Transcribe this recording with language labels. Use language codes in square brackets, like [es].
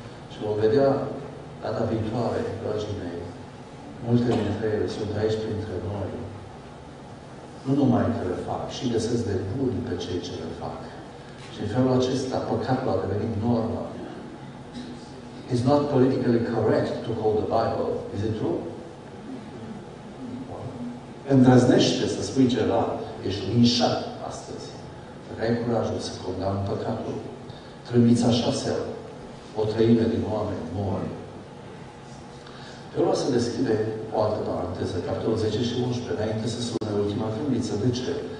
[ro] Și vom vedea data viitoare, dragii mei, multe dintre ele sunt aici printre noi. Nu numai că le fac, și găsesc de bun pe cei ce le fac. Și în felul acesta, păcatul a devenit normă. [en] It's not politically correct to quote the Bible. Is it true? [ro] Îndrăznește să spui ceva. Ești linșat astăzi. Dacă ai curajul să condamn păcatul, trâmbița șasea, o treime din oameni, mori. Eu vreau să deschide o altă paranteză, capitolul 10 și 11, înainte să sune ultima trâmbiță. De ce?